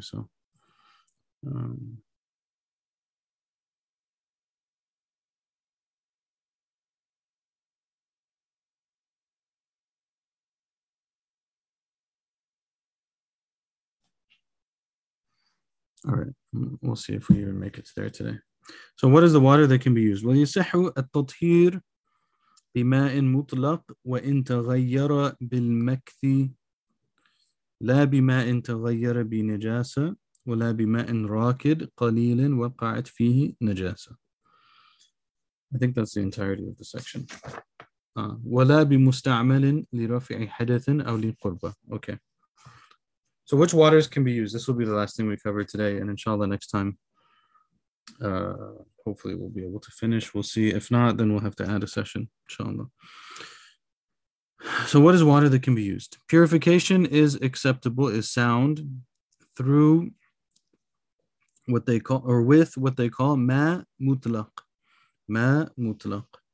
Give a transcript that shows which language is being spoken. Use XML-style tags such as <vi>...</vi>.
<en>So, all right, we'll see if we even make it there today. So, what is the water that can be used?</en> <ar>Well, yusahhu at-tathhir بماء مطلق وإن تغير بالمكث لا بماء تغير بنجاسة ولا بماء راكد قليل وقعت فيه نجاسة.</ar> <en>I think that's the entirety of the section.</en> <ar>ولا بمستعمل لرفع حدث أو لقربة.</ar> <en>Okay. So which waters can be used? This will be the last thing we cover today, and inshallah next time, hopefully we'll be able to finish. We'll see. If not, then we'll have to add a session, inshallah. So what is water that can be used? Purification is acceptable, is sound, through what they call, or with what they call ma mutlaq. Ma mutlaq.</en>